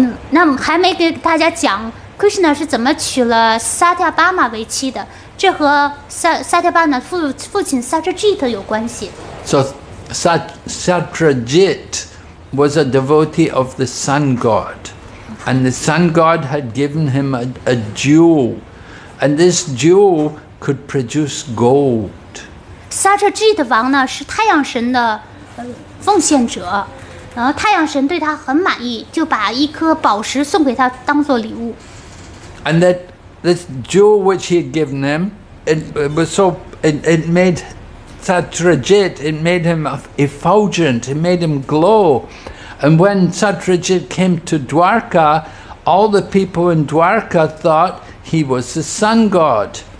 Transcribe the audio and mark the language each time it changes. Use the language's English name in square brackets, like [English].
[Chinese] 那还没给大家讲 Krishna是怎么娶了Satyabhama为妻的， 这和Satyabhama父亲Satrajit有关系。 [English] So Satrajit was a devotee of the sun god, and the sun god had given him a jewel, and this jewel could produce gold. [Chinese] Satrajit王呢是太阳神的奉献者，然后太阳神对他很满意，就把一颗宝石送给他当做礼物。 [English] And that this jewel which he had given him, it made Satrajit effulgent, it made him glow. And when Satrajit came to Dwarka, all the people in Dwarka thought he was the sun god.